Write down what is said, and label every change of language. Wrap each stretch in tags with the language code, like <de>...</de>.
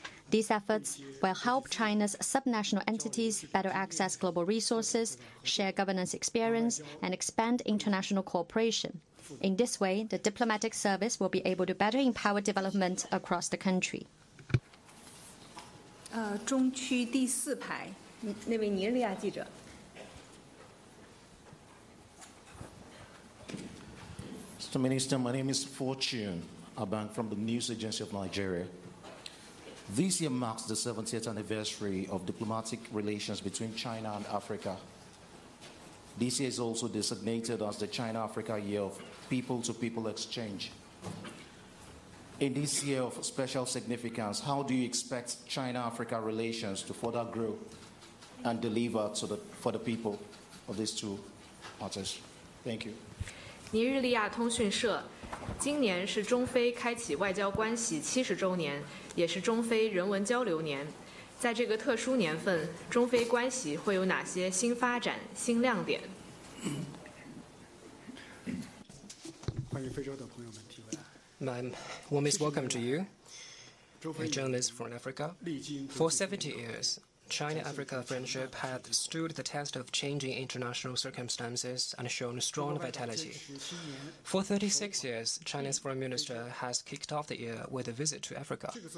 <en>These efforts will help China's subnational entities better access global resources, share governance experience, and expand international cooperation. In this way, the diplomatic service will be able to better empower development across the country.</en> <zh>中区第四排，那位尼日利亚记者。</zh> <en>Mr. Minister, my name is Fortune Abang from the News Agency of Nigeria. This year marks the 70th anniversary of diplomatic relations between China and Africa. This year is also designated as the China-Africa Year of People-to-People Exchange. In this year of special significance, how do you expect China-Africa relations to further grow and deliver for the people of these two parties? Thank you.</en> <zh>尼日利亚通讯社，今年是中非开启外交关系70周年，也是中非人文交流年。在这个特殊年份，中非关系会有哪些新发展、新亮点？欢迎非洲的朋友们提问。</zh> <en>My warm is welcome to you, a journalist from Africa. For 70 years. China-Africa friendship has stood the test of changing international circumstances and shown strong vitality. For 36 years, China's foreign minister has kicked off the year with a visit to Africa.</en>